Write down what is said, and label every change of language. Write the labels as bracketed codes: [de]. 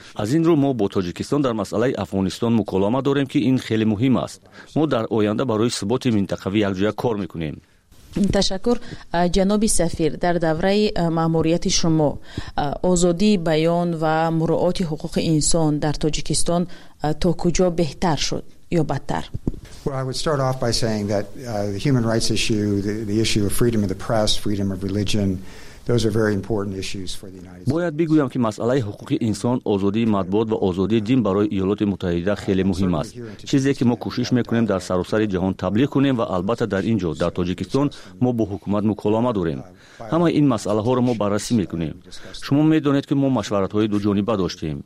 [fa] از این رو ما با تاجیکستان در مسئله افغانستان مکالمه داریم که این خیلی مهم است. ما در آینده برای ثبات منطقه یکجا کار میکنیم. تشکر. جناب سفیر، در دوره ماموریت شما آزادی بیان و مراعات حقوق انسان در تاجیکستان تا کجا بهتر شد یا بدتر؟ [en] Well, I would start off by saying that the human rights issue, the issue of freedom of the press, freedom of religion, those are very important issues for the United States. [fa] باید بگویم که مسئله حقوق انسان، آزادی مطبوعات و آزادی دین برای ایالات متحده خیلی مهم است. چیزی که ما کوشش میکنیم در سراسر جهان تبلیغ کنیم و البته در اینجا در تاجیکستان ما با حکومت مکالمه داریم. همه این مسئله ها را ما بررسی میکنیم. شما میدونید که ما مشورت های دو جانبه داشتیم.